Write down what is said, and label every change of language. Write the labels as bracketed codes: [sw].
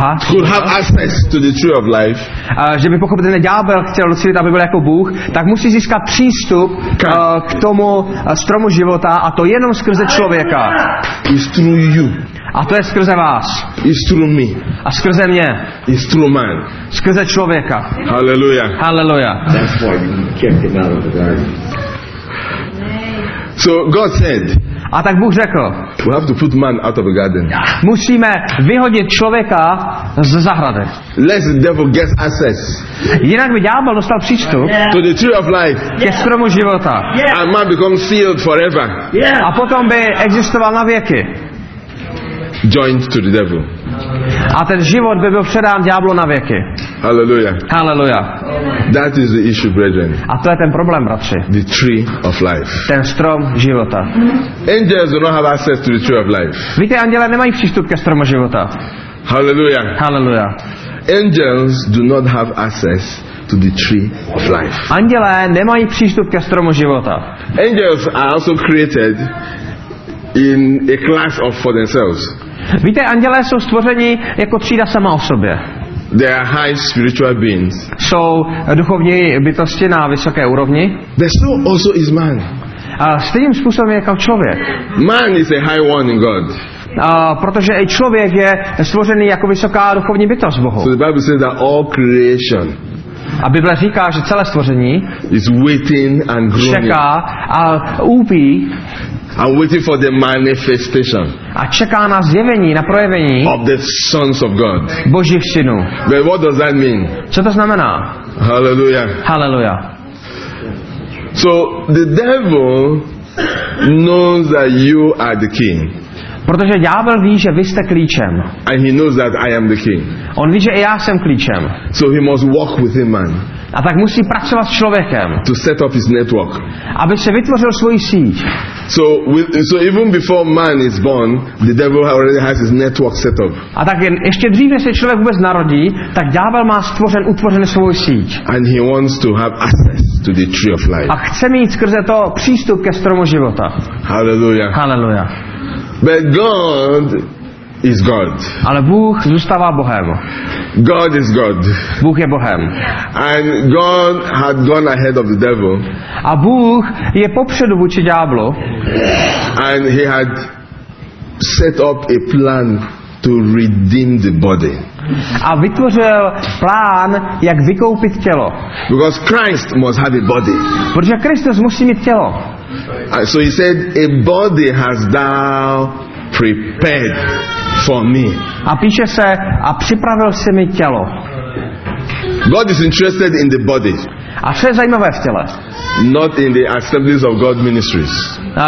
[en] Could have access to the tree of life. [cs] Že by pochopitelně ďábel chtěl docílit, aby byl jako Bůh, tak musí získat přístup k tomu stromu života, a to jenom skrze člověka. [en] It's through you. [cs] A to je skrze vás. [en] It's through me. [cs] A skrze mě. [en] It's through man. [cs] Skrze člověka. Hallelujah. Hallelujah. [en] That's why you kept him out of the garden. So God said. [cs] A tak Bůh řekl. [en] We have to put man out of the garden. [cs] Musíme vyhodit člověka z zahrady. [en] Lest the devil gets access. [cs] Jinak by ďábel dostal přístup. [en] To the tree of life. [cs] Ke stromu života. [en] And man becomes sealed forever. [cs] A potom by existoval na věky. [en] Joined to the devil. [cs] A ten život by byl předán ďáblu na věky. Hallelujah. Hallelujah. [en] That is the issue, brethren. [cs] A to je ten problém, bratři. [en] The tree of life. [cs] Ten strom života. [en] Angels do not have access to the tree of life. [cs] Víte, anděle nemají přístup ke stromu života. Hallelujah. Hallelujah. [en] Angels do not have access to the tree of life. [cs] Anděle nemají přístup ke stromu života. [en] Angels are also created in a class of for themselves. [cs] Víte, andělé jsou stvoření jako třída sama o sobě. [en] They are high spiritual beings. [cs] Jsou duchovní bytosti na vysoké úrovni. [en] The soul also is man. [cs] A stejným způsobem je jako člověk. [en] Man is a high one in God. [cs] Protože i člověk je stvořený jako vysoká duchovní bytost Bohu. [en] So the Bible says that all creation. [cs] A Bible říká, že celé stvoření [en] is waiting and groaning. [cs] Čeká a úpí. [en] And waiting for the manifestation. [cs] A čeká na zjevení, na projevení [en] of the sons of God. [cs] Božích synů. [en] But what does that mean? [cs] Co to znamená? Hallelujah. Hallelujah. [en] So the devil knows that you are the king. [cs] Protože ďábel ví, že vy jste klíčem. [en] And he knows that I am the king. [cs] On ví, že i já jsem klíčem. [en] So he must walk with him, man. [cs] A tak musí pracovat s člověkem. [en] To set up his network. [cs] Aby se vytvořil svoji síť. [en] So even before man is born, the devil already has his network set up. [cs] A tak ještě dřív, než se člověk vůbec narodí, tak ďábel má utvořen svou síť. [en] And he wants to have access to the tree of life. [cs] A chce mít skrze to přístup ke stromu života. Hallelujah. Hallelujah. [en] But God is God. [cs] Ale Bůh zůstává Bohem. [en] God is God. [cs] Bůh je Bohem. [en] And God had gone ahead of the devil. [cs] A Bůh je popředu vůči ďáblu. [en] And he had set up a plan to redeem the body. [cs] A vytvořil plán, jak vykoupit tělo. [en] Because Christ must have a body. [cs] Protože Kristus musí mít tělo. [en] And so he said, a body has thou prepared for me. [cs] A píše se, a připravil jsi mi tělo. [en] God is interested in the body. [cs] A co je zajímavé v těle? [en] Not in the assemblies of God ministries.